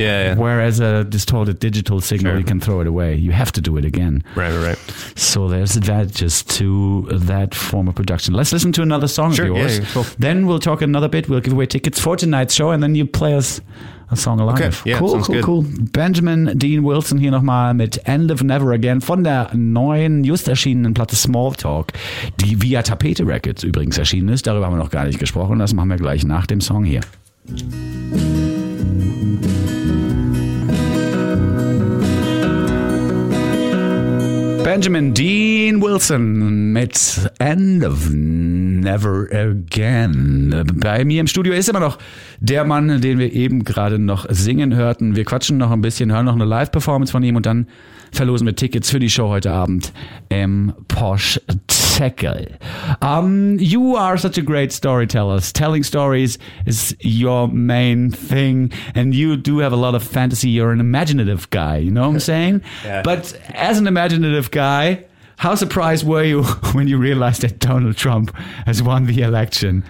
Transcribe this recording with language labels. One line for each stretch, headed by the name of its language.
English: Yeah. Whereas a distorted digital signal, you can throw it away. You have to do it again. Right. So there's advantages to that form of production. Let's listen to another song of yours. Yeah, cool. Then we'll talk another bit. We'll give away tickets for tonight's show, and then you play us a song alive. Okay, yeah, cool.
German: Benjamin Dean Wilson hier nochmal mit End of Never Again von der neuen, just erschienenen Platte Smalltalk, die via Tapete Records übrigens erschienen ist. Darüber haben wir noch gar nicht gesprochen. Das machen wir gleich nach dem Song hier. Benjamin Dean Wilson mit End of Never Again. Bei mir im Studio ist immer noch der Mann, den wir eben gerade noch singen hörten. Wir quatschen noch ein bisschen, hören noch eine Live-Performance von ihm und dann verlosen wir Tickets für die Show heute Abend im Posh Tackle.
English: You are such a great storyteller. Telling stories is your main thing, and you do have a lot of fantasy. You're an imaginative guy, you know what I'm saying? Yeah. But as an imaginative guy, how surprised were you when you realized that Donald Trump has won the election?